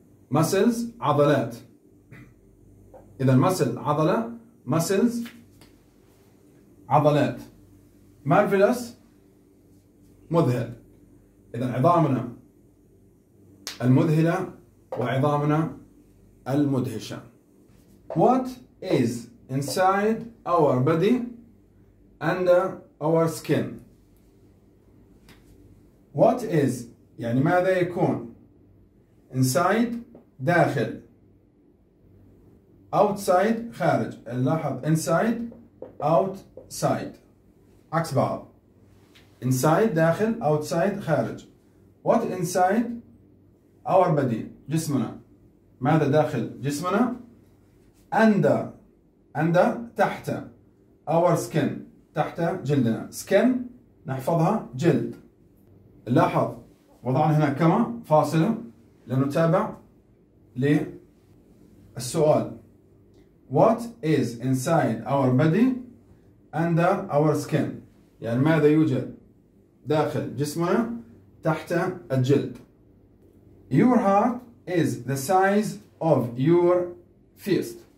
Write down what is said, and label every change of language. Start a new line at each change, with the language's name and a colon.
Arabic: Muscles عضلات. إذن muscle عضلة. Muscles عضلات. Marvelous مذهل. إذن عظامنا المذهلة وعظامنا المدهشة.
English: What is inside our body under our skin? What is
Arabic: يعني ماذا يكون؟ Inside داخل، outside خارج. لاحظ inside outside عكس بعض. Inside داخل، outside خارج.
English: What inside our body
Arabic: جسمنا، ماذا داخل جسمنا؟ under تحت،
English: our skin
Arabic: تحت جلدنا، skin نحفظها جلد. لاحظ وضعنا هنا كما فاصلة لنتابع للسؤال.
English: What is inside our body under our skin
Arabic: يعني ماذا يوجد داخل جسمنا تحت الجلد.
English: Your heart is the size of your fist.